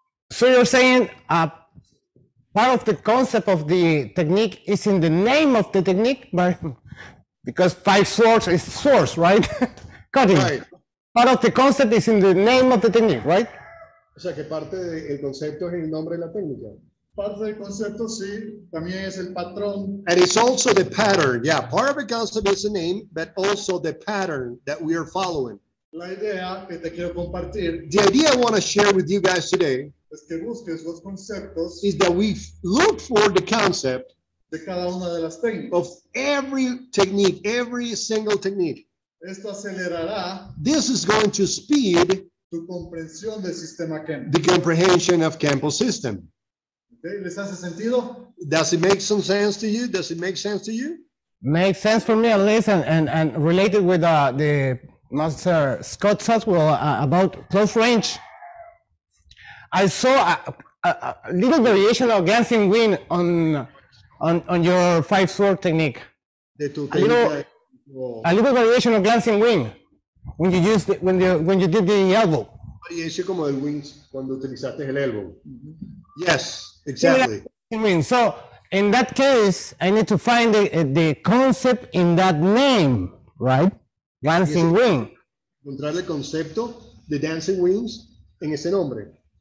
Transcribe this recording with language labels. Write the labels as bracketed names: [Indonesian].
[English] So you're saying part of the concept of the technique is in the name of the technique, but because five swords is swords, right? Cutting. Right. Part of the concept is in the name of the technique, right? [Spanish] O sea, que parte del concepto es el nombre de la técnica. [English] Part of the concept, [Spanish] sí, también es el patrón. [English] And it's also the pattern. Yeah, part of the concept is the name, but also the pattern that we are following. [Spanish] La idea que te quiero compartir, [English] the idea I want to share with you guys today [Spanish] es que busques los conceptos, [English] is that we look for the concept [Spanish] de cada una de las técnicas, [English] of every technique, every single technique. [Spanish] Esto acelerará, [English] this is going to speed [Spanish] tu comprensión del sistema Kenpo, [English] the comprehension of Kenpo system. [Spanish] ¿Les hace sentido? [English] Does it make some sense to you? Does it make sense to you? Makes sense for me at least, and related with the Master Scott Saswell about close range. I saw a little variation of Gansing Wing on your five sword technique. A little variation of Gansing Wing when you used it, when you did the elbow. [Spanish] Variation como el wings cuando utilizaste el elbow. [English] Yes, exactly. So in that case, I need to find the concept in that name, right? Dancing Wing. [Spanish] Encontrar el concepto de Dancing Wings en ese nombre.